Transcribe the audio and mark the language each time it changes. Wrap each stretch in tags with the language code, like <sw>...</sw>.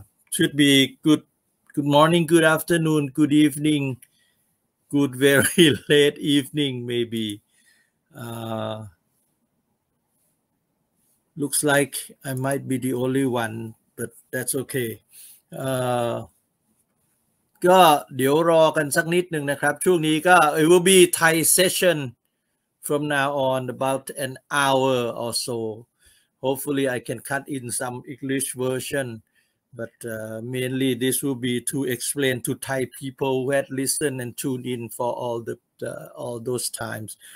<en>Should be good morning, good afternoon, good evening, good very late evening, maybe. Looks like I might be the only one, but that's okay.</en> <th>ก็เดี๋ยวรอกันสักนิดหนึ่งนะครับช่วงนี้ก็</th> <en>it will be Thai session from now on about an hour or so. Hopefully I can cut in some English version, but mainly this will be to explain to Thai people who had listened and tuned in for all the all those times.</en>